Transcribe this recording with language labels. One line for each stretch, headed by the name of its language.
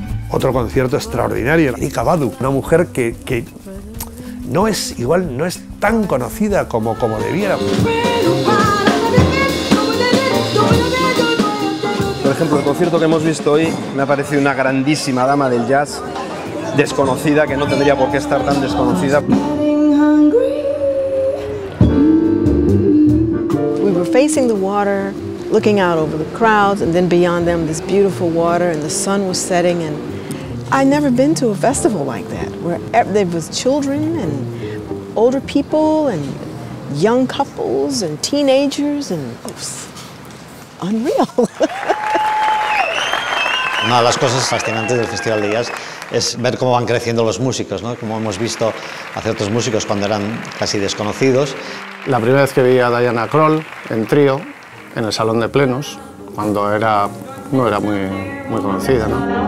Spanish: Otro concierto extraordinario, Erika Badu, una mujer que no es igual, no es tan conocida como debiera. Por ejemplo, el concierto que hemos visto hoy me ha parecido una grandísima dama del jazz, desconocida, que no tendría por qué estar tan desconocida.
English: We were facing the water, looking out over the crowds and then beyond them this beautiful water and the sun was setting and I'd never been to a festival like that, where there was children and older people and young couples and teenagers and oops, unreal.
Spanish: Una de las cosas fascinantes del Festival de Jazz es ver cómo van creciendo los músicos, ¿no? Como hemos visto a ciertos músicos cuando eran casi desconocidos. La primera vez que vi a Diana Krall en trío en el Salón de Plenos, cuando era no era muy muy conocida, ¿no?